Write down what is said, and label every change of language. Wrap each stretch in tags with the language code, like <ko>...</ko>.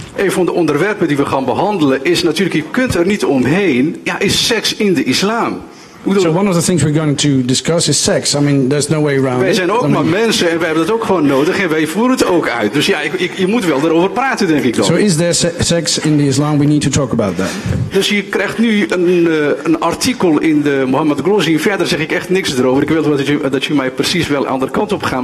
<nl>Een van de onderwerpen die we gaan behandelen is natuurlijk, je kunt er niet omheen, ja, is seks in de islam.</nl> <en>So one of the things we're going to discuss is sex. I mean, there's no way around</en> <nl>it. Wij zijn ook maar mensen en wij hebben dat ook gewoon nodig en wij voeren het ook uit. Dus ja, je moet wel erover praten, denk ik dan.</nl> <en>So is there sex in the Islam? We need to talk about that.</en> <nl>Dus je krijgt nu een artikel in de Mohammed Glossy. Verder zeg ik echt niks erover. Ik wil dat je mij precies wel aan de andere kant op gaat.</nl>